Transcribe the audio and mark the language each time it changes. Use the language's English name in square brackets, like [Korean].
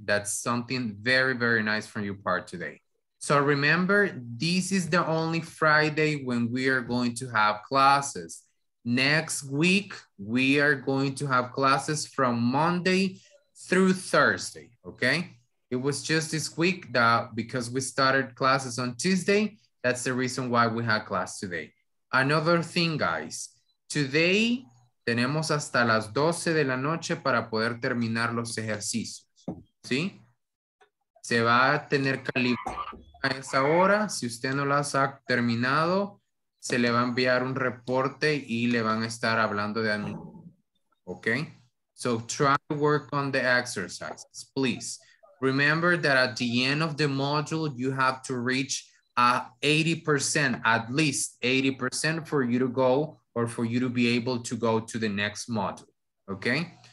[English] That's something very, very nice from your part today. So remember, this is the only Friday when we are going to have classes. Next week, we are going to have classes from Monday through Thursday, okay? It was just this week that because we started classes on Tuesday, that's the reason why we had class today. Another thing, guys, today [Spanish] tenemos hasta las 12 de la noche para poder terminar los ejercicios, ¿sí? Se va a tener calificación a esa hora, si usted no las ha terminado, se le va a enviar un reporte y le van a estar hablando de anuncio. [English] Okay? So try to work on the exercises, please. Remember that at the end of the module, you have to reach 80%, at least 80% for you to go or for you to be able to go to the next module. Okay?